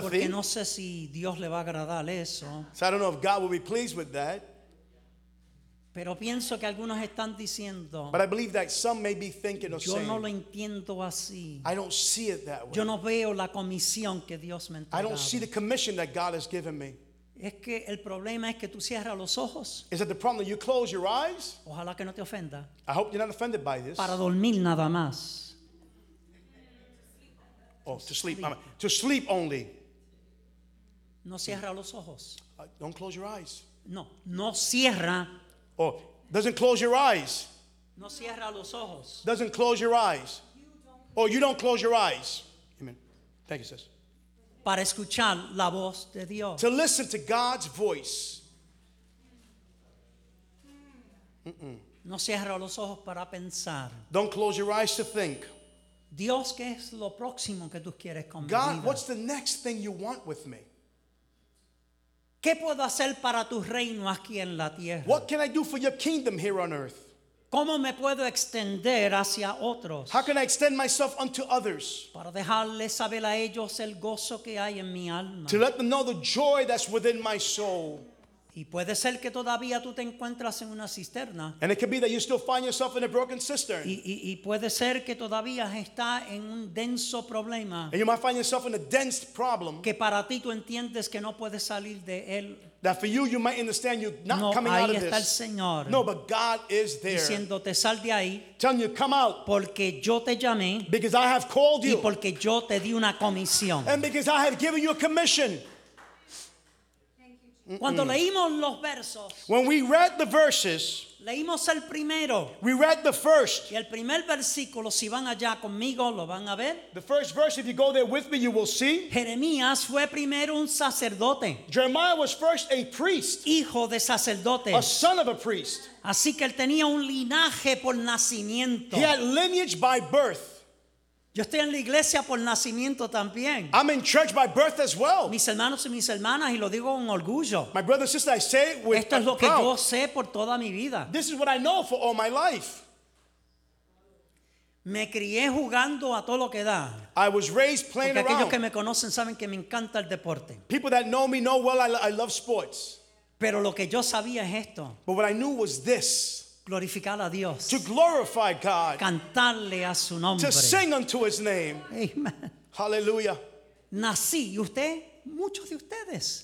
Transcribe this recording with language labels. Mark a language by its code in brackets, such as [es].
[es] Porque no sé si Dios le va a agradar eso. [en] So I don't know if God will be pleased with that. [es] Pero pienso que algunos están diciendo. [en] But I believe that some may be thinking of [es] yo [en] saying. [es] Yo no lo entiendo así. [en] I don't see it that way. [es] Yo no veo la comisión que Dios me entregó. [en] I don't see the commission that God has given me. [es] Es que el problema es que tú cierras los ojos. [en] Is that the problem that you close your eyes? [es] Ojalá que no te ofenda. [en] I hope you're not offended by this. [es] Para dormir nada más. [en] Oh, to sleep. To sleep only. [es] No cierra los ojos. [en] Don't close your eyes. [es] No, no cierra. [en] Oh, doesn't close your eyes. [es] No cierra los ojos. [en] Doesn't close your eyes. Oh, you don't close your eyes. Amen. Thank you, sis. [es] Para escuchar la voz de Dios. [en] To listen to God's voice. Mm-mm. [es] No cierra los ojos para pensar. [en] Don't close your eyes to think. [es] Dios, ¿qué es lo próximo que tú quieres con mi vida? [en] God, what's the next thing you want with me? [es] ¿Qué puedo hacer para tu reino aquí en la tierra? [en] What can I do for your kingdom here on earth? [es] ¿Cómo me puedo extender hacia otros? [en] How can I extend myself unto others? [es] Para dejarles saber a ellos el gozo que hay en mi alma. [en] To let them know the joy that's within my soul. [es] Y puede ser que todavía tú te encuentras en una cisterna. [en] And it could be that you still find yourself in a broken cistern. [es] Y puede ser que todavía está en un denso problema. [en] And you might find yourself in a dense problem. [es] Que para ti tú entiendes que no puedes salir de él. [en] That for you, you might understand you're not [es] no, [en] coming [es] ahí [en] out of [es] está [en] this. [es] El Señor, [en] no, but God is there. [es] Diciéndote, sal de ahí, [en] telling you, come out. [es] Porque yo te llamé, [en] because I have called you. [es] Y porque yo te di una comisión. [en] And because I have given you a commission. [es] Cuando leímos los versos, [en] when we read the verses, [es] leímos el primero, [en] we read the first. [es] Y el primer versículo, si van allá conmigo, lo van a ver. [en] The first verse, if you go there with me, you will see. [es] Jeremías fue primero un sacerdote. [en] Jeremiah was first a priest. [es] Hijo de sacerdote. [en] A son of a priest. [es] Así que él tenía un linaje por nacimiento. [en] He had lineage by birth. [es] Yo estoy en la iglesia por nacimiento también. [en] I'm in church by birth as well. [es] Mis hermanos y mis hermanas, y lo digo con orgullo. [en] My brother and sister, I say it with [es] esto es lo que yo sé por toda mi vida. [en] This is what I know for all my life. [es] Me crié jugando a todo lo que da. [en] I was raised playing around. [es] Aquellos que me conocen saben que me encanta el deporte. [en] People that know me know well I love sports. [es] Pero lo que yo sabía es esto. [en] But what I knew was this. [es] Glorificar a Dios. [en] To glorify God. [es] Cantarle a su nombre. [en] To sing unto his name. Amen. Hallelujah. [es] Nací, y usted, muchos de ustedes.